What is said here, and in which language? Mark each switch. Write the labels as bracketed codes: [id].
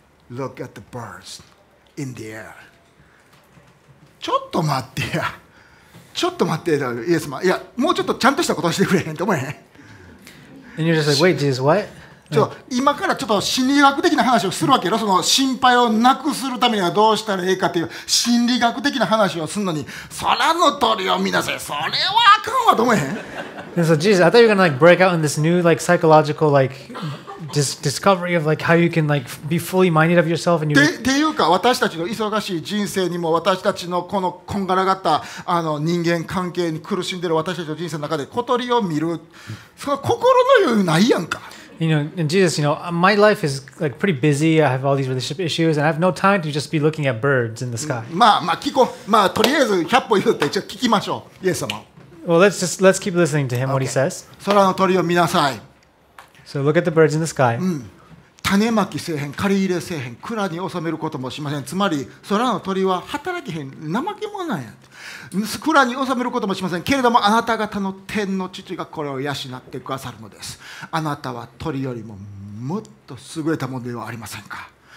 [en] Look at the birds in the air. [ja] ちょっと待ってや。ちょっと待ってや、イエス様。いや、もうちょっとちゃんとしたことをしてくれへんと思えへん。 [en] And you're just like, wait, Jesus, what? [ja] ちょっと今からちょっと心理学的な話をするわけよ。その心配をなくするためにはどうしたらいいかという心理学的な話をするのに、空の鳥を見なさい。それはあかんわと思えへん。 [en] And so, Jesus, I thought you were going to like break out in this new like psychological like. Discovery of like how you can like be fully minded of yourself and you. [ja] っていうか私たちの忙しい人生にも私たちのこのこんがらがった人間関係に苦しんでる私たちの人生の中で小鳥を見るその心の余裕ないやんか。 [en] You know, and Jesus, you know, my life is like pretty busy. I have all these relationship issues, and I have no time to just be looking at birds in the sky. [ja] まあまあ聞こまあとりあえず100歩譲って一応聞きましょう。イエス様。 [en] Well, let's keep listening to him what he says. [ja] 空の鳥を見なさい。 [en] So look at the birds in the sky. [ja] 種まきせえへん、刈り入れせえへん、蔵に収めることもしません。つまり空の鳥は働きへん、怠け者なんや。蔵に収めることもしません。けれどもあなた方の天の父がこれを養ってくださるのです。あなたは鳥よりももっと優れたものではありませんか。